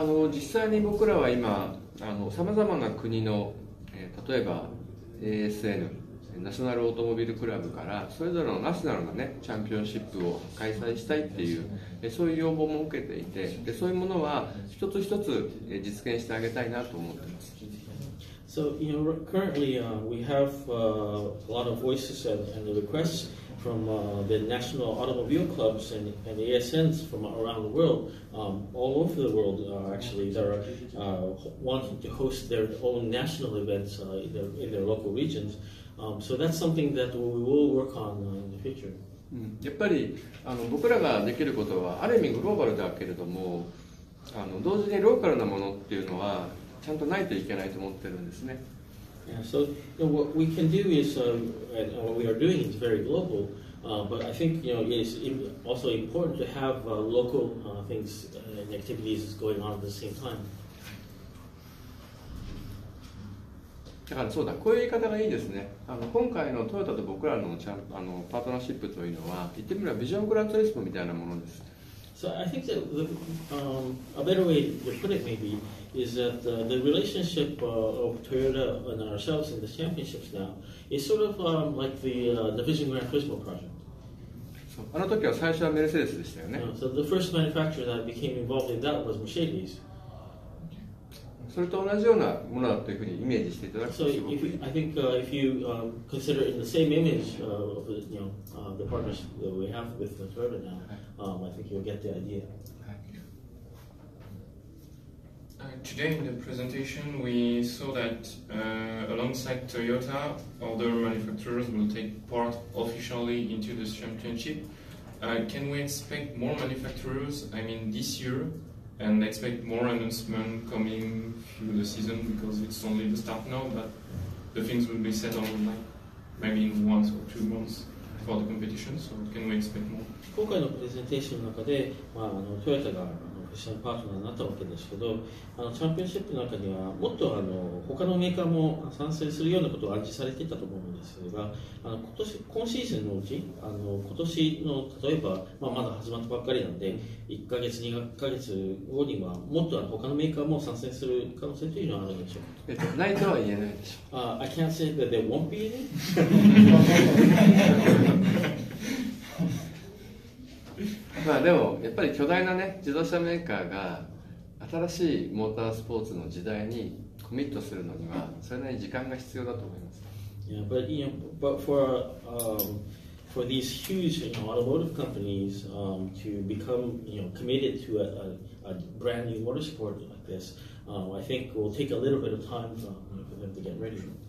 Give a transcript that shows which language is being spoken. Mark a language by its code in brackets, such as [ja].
[ja] 実際に僕らは今さまざまな国の、例えば ASN ナショナルオートモビルクラブからそれぞれのナショナルな、ね、チャンピオンシップを開催したいっていう、そういう要望も受けていて、でそういうものは一つ一つ実現してあげたいなと思っています。 [en] So, you know, currently, we have, a lot of voices and requestsfrom the national automobile clubs and ASNs from around the world, all over the world, actually, that are wanting to host their own national events in their local regions. So that's something that we will work on in the future. [ja] やっぱり僕らができることはある意味グローバルだけれども、同時にローカルなものっていうのはちゃんとないといけないと思ってるんですね。 [en] Yeah, so, you know, what we can do is, and what we are doing is very global, but I think, you know, it's also important to have local things and activities going on at the same time. [ja] だからそうだ、こういう言い方がいいですね。今回のトヨタと僕らのパートナーシップというのは、言ってみればビジョングランツリスモみたいなものです。 [en] So I think that a better way to put it maybe is that the relationship of Toyota and ourselves in the championships now is sort of like the Vision Gran Turismo project. [ja] So, あの時は最初はメルセデスでしたよね。 [en] So the first manufacturer that became involved in that was Mercedes. [ja] それと同じようなものだというふうにイメージしていただくと、 [en] So if I think if you consider in the same image of the, you know, the partnership that we have with Toyota now, I think you'll get the idea. Today in the presentation, we saw that alongside Toyota, other manufacturers will take part officially into this championship. Can we expect more manufacturers, I mean this year, and expect more announcement coming through the season, because it's only the start now, but the things will be set on like maybe in 1 or 2 months for the competition, so can we expect more? [ja] 今回のプレゼンテーションの中で、トヨタが私のパートナーになったわけですけど、あのチャンピオンシップの中にはもっとあの他のメーカーも参戦するようなことを暗示されていたと思うんですが、あの今シーズンのうち、あの今年の例えば、まあ、まだ始まったばっかりなので1ヶ月、2ヶ月後にはもっとあの他のメーカーも参戦する可能性というのはあるでしょうか。ないとは言えないでしょ [en] う。 I can't say that there won't be any. [ja] まあでもやっぱり巨大なね自動車メーカーが新しいモータースポーツの時代にコミットするのにはそれなりに時間が必要だと思います。 [en] Yeah, but you know, but for these huge, you know, automotive companies to become, you know, committed to a brand new motorsport like this, I think will take a little bit of time for them to get ready.